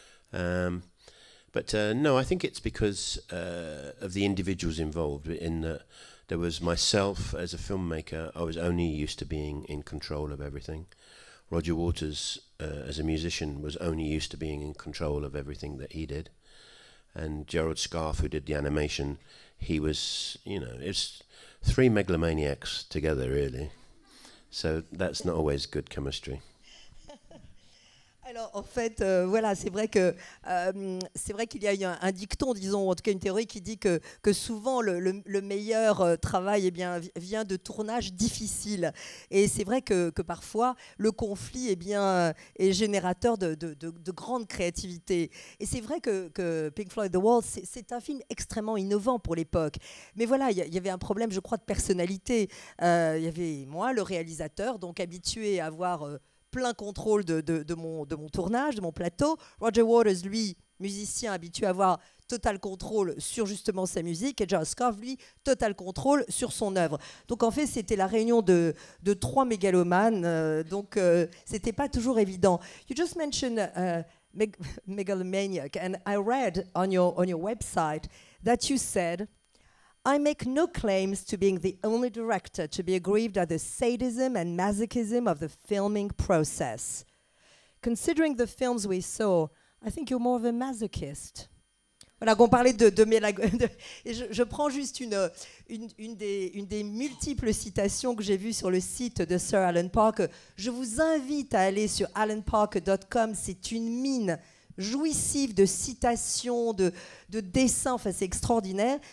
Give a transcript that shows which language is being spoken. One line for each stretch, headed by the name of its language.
English: But I think it's because of the individuals involved, in that there was myself as a filmmaker. I was only used to being in control of everything. Roger Waters, as a musician, was only used to being in control of everything that he did. And Gerald Scarfe, who did the animation, he was, you know, it's three megalomaniacs together, really. So that's not always good chemistry.
French: Alors, en fait, voilà, c'est vrai qu'il y a eu un dicton, disons, en tout cas une théorie qui dit que souvent le meilleur travail vient de tournages difficiles. Et c'est vrai que parfois, le conflit est générateur de grande créativité. Et c'est vrai que Pink Floyd The Wall, c'est un film extrêmement innovant pour l'époque. Mais voilà, il y avait un problème, je crois, de personnalité. Il y avait moi, le réalisateur, donc habitué à voir... plein contrôle de mon tournage, de mon plateau. Roger Waters, lui, musicien habitué à avoir total contrôle sur justement sa musique, et Gerald Scarfe, lui, total contrôle sur son œuvre. Donc en fait, c'était la réunion de trois mégalomanes, donc c'était pas toujours évident.
English: You just mentioned megalomaniac, and I read on your website that you said, I make no claims to being the only director to be aggrieved at the sadism and masochism of the filming process. Considering the films we saw, I think you're more of a masochist.
French: Voilà, qu'on parlait de mélagone. Je prends juste une des multiples citations que j'ai vues sur le site de Sir Alan Parker. Je vous invite à aller sur alanparker.com, c'est une mine jouissif de citations, de dessins, enfin, c'est extraordinaire.